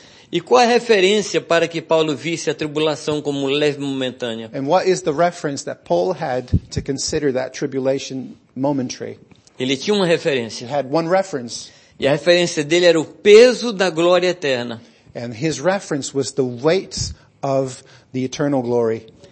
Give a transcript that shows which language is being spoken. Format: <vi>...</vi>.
<pt>E qual é a referência para que Paulo visse a tribulação como leve e momentânea?</pt> <en>And what is the reference that Paul had to consider that tribulation momentary?</en> <pt>Ele tinha uma referência.</pt> <en>He had one reference.</en> <pt>E a referência dele era o peso da glória eterna.</pt> <en>And his reference was the weight of the eternal glory.</en>